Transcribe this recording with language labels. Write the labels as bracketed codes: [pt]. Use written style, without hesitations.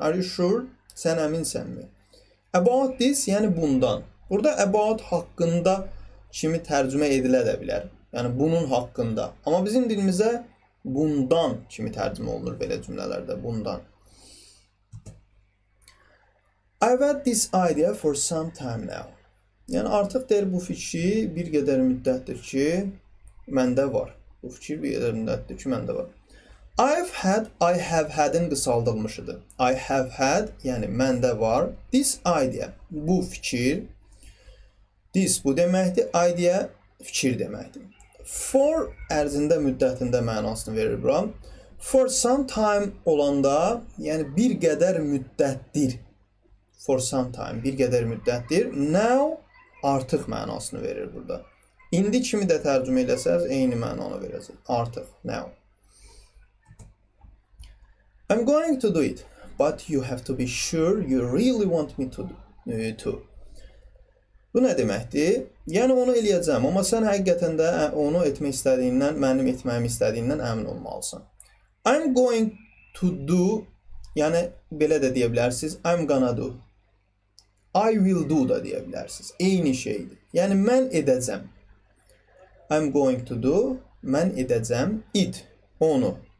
[en] Are you sure, [az] sən əminsən mi? [en] About this, [az] yəni bundan. Burada about haqqında kimi tərcümə edilə də bilər. Yəni bunun haqqında. Amma bizim dilimizə bundan kimi tərcümə olunur belə cümlələrdə, bundan. [en] I've had this idea for some time now. [az] Yəni, artıq deyir bu fikri bir qədər müddətdir ki, məndə var. Bu fikir bir qədər müddətdir ki, məndə var. [en] I've had, I have had- [az] in qısaldılmışıdır. [en] I have had, [az] yəni məndə var. [en] This idea, [az] bu fikir. This, bu deməkdir. Idea, fikir deməkdir. For, ərzində, müddətində mənasını verir bura. [en] For some time [az] olanda, yəni bir qədər müddətdir. [en] For some time, [az] bir qədər müddətdir. Now, artıq mənasını verir burada. İndi kimi də tərcümə eləsəz, eyni mənanı verəcək. Artıq, now. [en] I'm going to do it, but you have to be sure you really want me to do it. [az] Bu nə deməkdir? Yəni, onu eləyəcəm, amma sən həqiqətən də onu etmək istədiyindən, mənim etməyim istədiyindən əmin olmalısın. [en] I'm going to do, [az] yəni, belə də deyə bilərsiniz, [en] I'm gonna do. I will do [az] da deyə bilərsiniz. Eyni şeydir. Yəni, mən edəcəm. [en] I'm going to do. [az] Mən edəcəm. It. Onu.